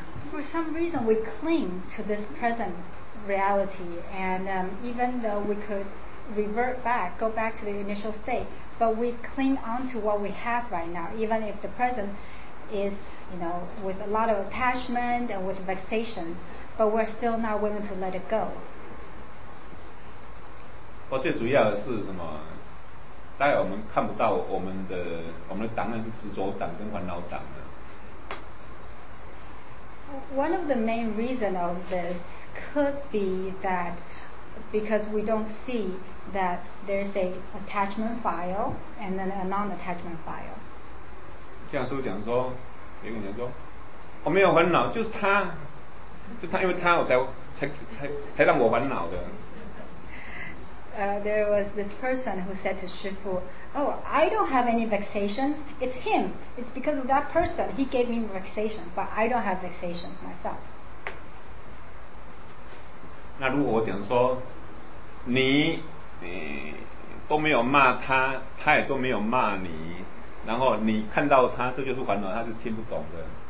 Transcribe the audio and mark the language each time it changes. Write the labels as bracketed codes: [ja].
[en] For some reason, we cling to this present reality, and even though we could revert back, go back to the initial state, but we cling on to what we have right now, even if the present is, you know, with a lot of attachment and with vexations, but we're still not willing to let it go. [zh] 我最主要的是什么？大概我们看不到我们的档案是执着档跟烦恼档的。 [en] One of the main reasons of this could be that because we don't see that there's an attachment file and then a non-attachment file. [zh] 像师父讲说，有个人说，我没有烦恼，就是他，就他，因为他我才让我烦恼的。 [en] There was this person who said to Shi Fu, oh, I don't have any vexations. It's him. It's because of that person. He gave me vexations, but I don't have vexations myself. [zh] 那如果我讲说，你都没有骂他，他也都没有骂你，然后你看到他，这就是烦恼，他是听不懂的。